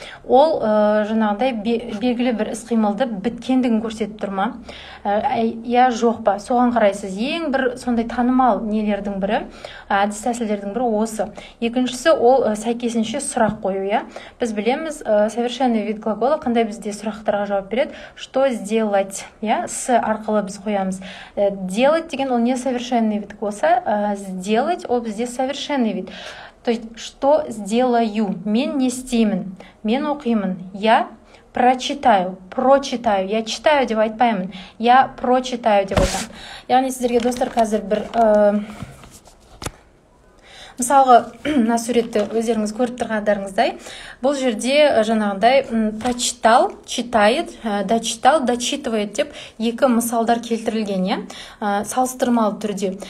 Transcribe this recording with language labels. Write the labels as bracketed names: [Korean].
[Kazakh] Ол жаңағындай белгілі бір іс қимылды біткендігін көрсетіп тұр ма, иә жоқ па, соған қарайсыз. Ең бір сондай танымал нелердің бірі, әдіс тәсілдердің бірі осы. Екіншісі ол сәйкесінше сұрақ қою, иә? Біз білеміз, [Russian] совершенный вид глагола [Kazakh] қандай бізде сұрақтарға жауап береді, [Russian] что сделать, [Kazakh] с арқылы біз қоямыз. Делать деген ол [Russian] не совершенный вид [Kazakh] болса, сделать ол бізде [Russian] совершенный вид. То есть, что сделаю, [Kazakh] мен не істеймін, мен оқимын, [Russian] я прочитаю, прочитаю, я читаю [Kazakh] деп айтпаймын, [Russian] я прочитаю [Kazakh] деп айтам. Яғни, сіздерге достар, қазір бір... мысалы, на суретті өздеріңіз көріп тұрғандарыңыздай, бұл жерде жаңағындай [Russian] прочитал, читает, дочитал, дочитывает [Kazakh] деп екі мысалдар келтірілген, салыстырмалы түрде.